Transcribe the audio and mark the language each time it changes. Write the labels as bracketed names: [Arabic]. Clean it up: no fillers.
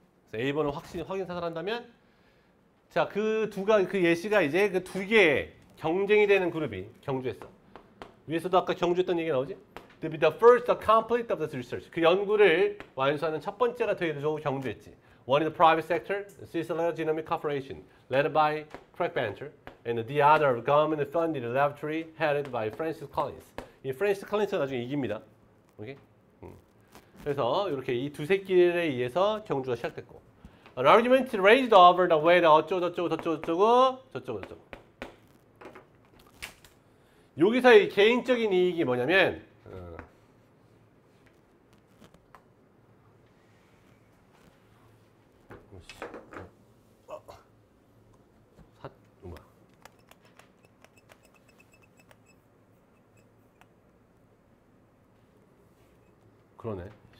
[Korean] 그래서 A번을 확신 확인 사살 한다면 자, 그 두가 그 예시가 이제 그 두 개의 경쟁이 되는 그룹이 경주했어. 위에서도 아까 경주했던 얘기 나오지? [English] The first complete of this research. [Korean] 그 연구를 완수하는 첫 번째가 되어서 경주했지. [English] One in the private sector, Cicero Genomic Corporation, led by Craig Venter, and the other government funded laboratory headed by Francis Collins. [Korean] 이 Francis Collins가 나중에 이깁니다. 오케이? 그래서 이렇게 이 두 새끼에 의해서 경주가 시작됐고. [English] An argument raised over the way [Korean] 어쩌고 저쩌고. 여기서의 개인적인 이익이 뭐냐면 그러네.